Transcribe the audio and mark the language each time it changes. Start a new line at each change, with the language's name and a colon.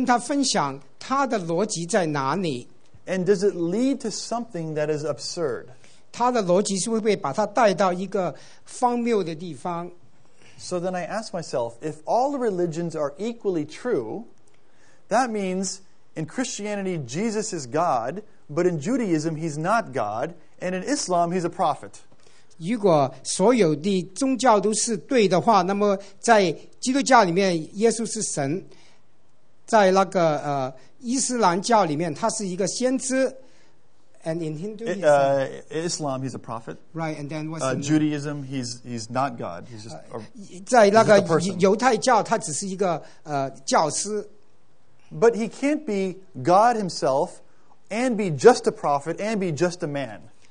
Chinese: 那么我就跟他分享他的逻辑在哪里。
English: And does it lead to something that is absurd?
Chinese: 他的逻辑是会不会把他带到一个荒谬的地方。
English: So then I ask myself, if all religions are equally true, that means in Christianity, Jesus is God, but in Judaism, he's not God, and in Islam, he's a prophet.
Chinese: 如果所有的宗教都是对的话，那么在基督教里面，耶稣是神；在那个伊斯兰教里面，他是一个先知。
English: And in Hinduism, Islam, he's a prophet. Right, and then what's Judaism? He's not God. He's just a person.
Chinese: 在那个犹太教，他只是一个教师。
English: But he can't be God himself and be just a prophet and be just a man.